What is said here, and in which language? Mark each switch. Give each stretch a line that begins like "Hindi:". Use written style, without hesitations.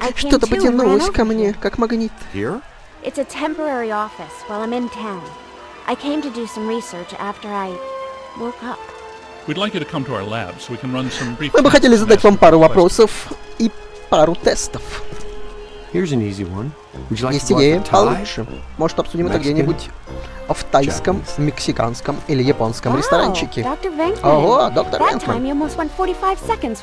Russian: Что-то потянулось ко мне, как магнит.
English: Here? It's a temporary office while I'm in town. I came to do some research after I woke up. We'd like you to come to our lab so we can run some brief.
Russian: Мы бы хотели задать вам пару вопросов и пару тестов.
English: Here's an easy one. Would you like to try?
Russian: Есть идея. Может, обсудим это где-нибудь в тайском, мексиканском или японском ресторанчике. Ого, доктор Венкман.